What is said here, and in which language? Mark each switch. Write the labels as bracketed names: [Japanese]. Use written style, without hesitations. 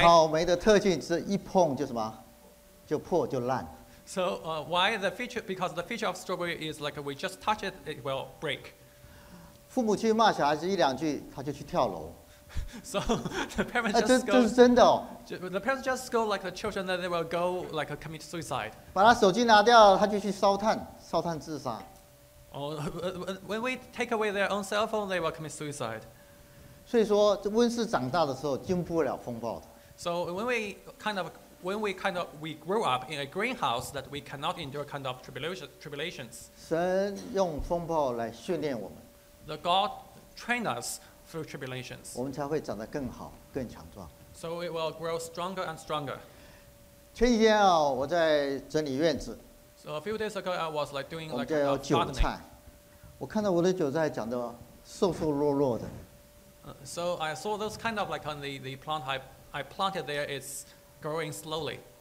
[Chinese] 草莓的特性是一碰就什么?就破就烂。 [English] So why the feature? Because the feature of strawberry is like we just touch it, it will break. [Chinese] 父母去骂小孩子一两句, 他就去跳楼。 [English] So the parents just go. [Chinese] 这是真的哦。 [English] The parents just go like the children that they will go like commit suicide. [Chinese] 把他手机拿掉, 他就去烧炭, 烧炭自杀。 [English] When we take away their own cell phone, they will commit suicide. [Chinese] 所以说温室长大的时候, 经不了风暴的。 [English] So when we grow up in a greenhouse that we cannot endure kind of tribulations. [Chinese] 神用风暴来训练我们。 [English] The God trained us through tribulations. [Chinese] 我们才会长得更好，更强壮。 [English] So it will grow stronger and stronger. [Chinese] 前几天啊，我在整理院子。 [English] So a few days ago, I was like doing like [Chinese] gardening. 我们家有韭菜。我看到我的韭菜长得瘦瘦弱弱的。 [English] So I saw those kind of like on the plant I planted there, it's growing slowly.